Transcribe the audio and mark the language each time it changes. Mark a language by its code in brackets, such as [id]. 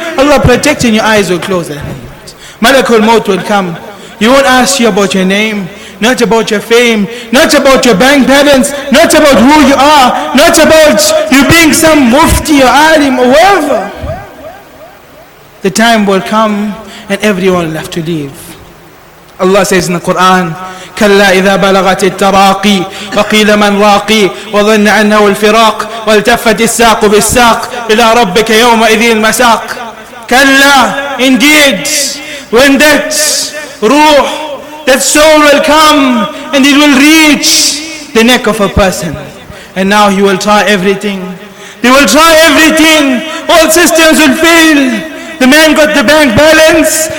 [en] Allah protect and your eyes will close at that moment. Malakul Maut will come. He won't ask you about your name, not about your fame, not about your bank balance, not about who you are, not about you being some mufti or alim or whoever. The time will come and everyone will have to leave. Allah says in the Quran, [ar] كَلَّا إِذَا بَلَغَتِ التَّرَاقِي وَقِيلَ مَنْ رَاقِي وَظَنَّ أَنَّهُ الْفِرَاقِ وَالْتَفَّتِ السَّاقُ بِالسَّاقِ إِلَىٰ رَبِّكَ يَوْمَئِذِي الْمَسَاقِ. [en] كَلَّا, indeed, when that ruh, that soul will come and it will reach the neck of a person. And now he will try everything. They will try everything. All systems will fail. The man got the bank balance.